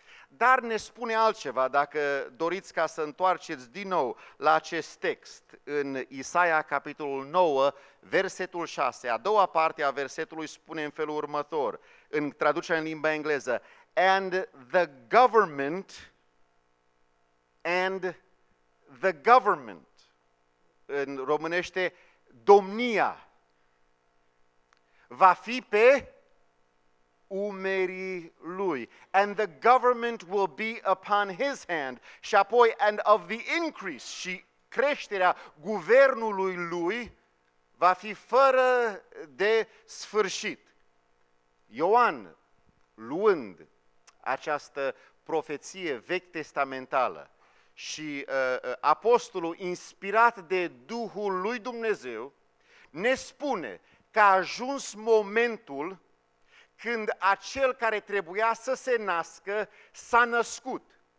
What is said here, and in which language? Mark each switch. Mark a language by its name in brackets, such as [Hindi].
[Romanian] dar ne spune altceva, dacă doriți ca să întoarceți din nou la acest text, în Isaia, capitolul 9, versetul 6, a doua parte a versetului spune în felul următor, în traducerea în limba engleză, [English] and the government, [Romanian] în românește, domnia va fi pe umerii lui. [English] And the government will be upon his hand. [Romanian] Și apoi, [English] and of the increase, [Romanian] și creșterea guvernului lui va fi fără de sfârșit. Ioan, luând această profeție vechi testamentală, și apostolul, inspirat de Duhul lui Dumnezeu, ne spune că a ajuns momentul când acel care trebuia să se nască s-a născut.